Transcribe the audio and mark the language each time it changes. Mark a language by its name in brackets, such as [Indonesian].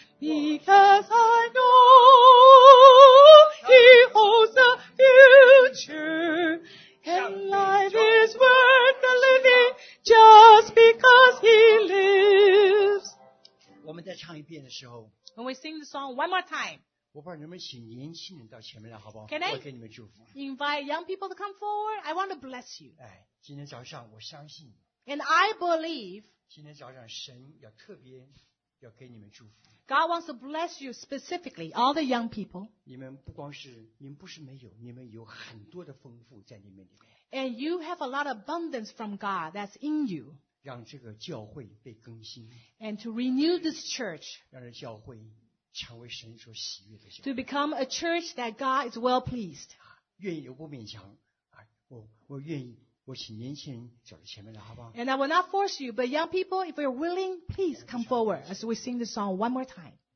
[English] Because I know He holds the future, and life is worth the living just because He lives. [Chinese] 我们再唱一遍的时候 [English] When we sing the song one more time, [Chinese] 我把你们请年轻人到前面来，好不好？ [English] Can I [Chinese] 我给你们祝福 [English] invite young people to come forward? I want to bless you. [Chinese] 哎，今天早上我相信 [English] And I believe. [Chinese] 今天早上神要特别要给你们祝福。 [English] God wants to bless you specifically, all the young people. [Chinese] 你们不光是，你们不是没有，你们有很多的丰富在你们里面。 [English] And you have a lot of abundance from God that's in you. [Chinese] 让这个教会被更新。 [English] And to renew this church. [Chinese] 让这教会成为神所喜悦的教会。 [English] To become a church that God is well pleased. [Chinese] 愿意我不勉强，我愿意。我请年轻人走到前面来，好不好？ [English] And I will not force you, but young people, if you're willing, please come forward as we sing the song one more time.